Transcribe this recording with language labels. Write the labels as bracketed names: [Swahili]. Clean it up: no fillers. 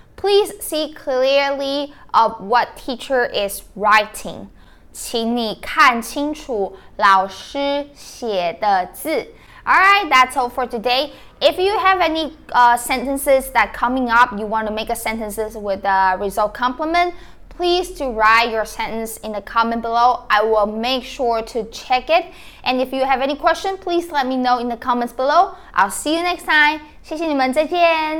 [English] Please see clearly of what teacher is writing. [Chinese] 请你看清楚老师写的字。 [English] Alright, that's all for today. If you have any sentences that coming up, you want to make a sentence with a result complement, please do write your sentence in the comment below. I will make sure to check it. And if you have any question, please let me know in the comments below. I'll see you next time. [Chinese] 谢谢你们，再见。